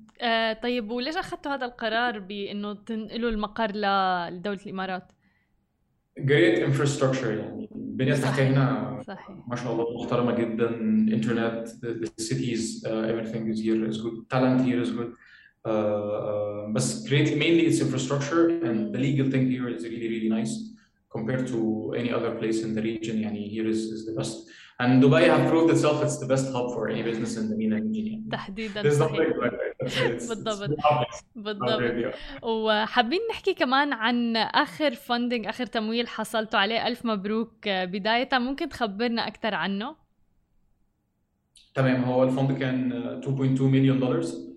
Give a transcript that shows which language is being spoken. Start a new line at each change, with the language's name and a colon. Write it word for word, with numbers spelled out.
Arabic: آه طيب، وليش اخذتوا هذا القرار بانه تنقلوا المقر لدوله الامارات؟
English: great infrastructure
Arabic: يعني بنيت تحتها هنا ما شاء الله محترمة جدا،
English: Internet, the cities, uh, everything is here is good, talent here is good. Uh, uh, but great, mainly it's infrastructure and the legal thing here is really really nice compared to any other place in the region. يعني here is, is the best. And Dubai have proved itself it's the best hub for any business in the MENA region.
Arabic: تحديداً.
English: There's nothing like that.
Arabic: بالضبط. بالضبط. وحابين نحكي كمان عن آخر فاندنج، آخر تمويل حصلتوا عليه، ألف مبروك بداية، ممكن تخبرنا أكثر عنه؟ تمام. هو الفند كان
English: two point two million dollars.